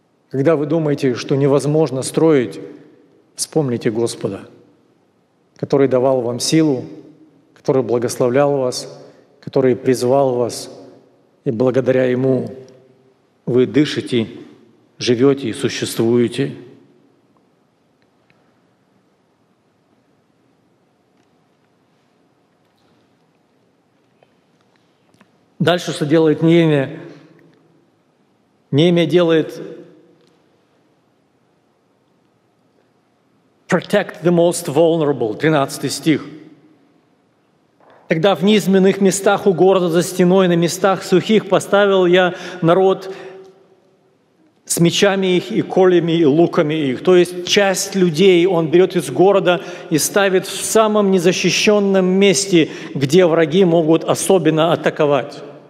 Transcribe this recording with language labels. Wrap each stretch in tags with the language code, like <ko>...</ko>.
<ru>Когда вы думаете, что невозможно строить, вспомните Господа, который давал вам силу, который благословлял вас, который призвал вас, и благодаря Ему вы дышите, живете и существуете. Дальше что делает Неемия? Неемия делает</ru> <en>«protect the most vulnerable»,</en> <ru>13 стих. «Тогда в низменных местах у города за стеной, на местах сухих, поставил я народ с мечами их и колями и луками их». То есть часть людей он берет из города и ставит в самом незащищенном месте, где враги могут особенно атаковать.</ru>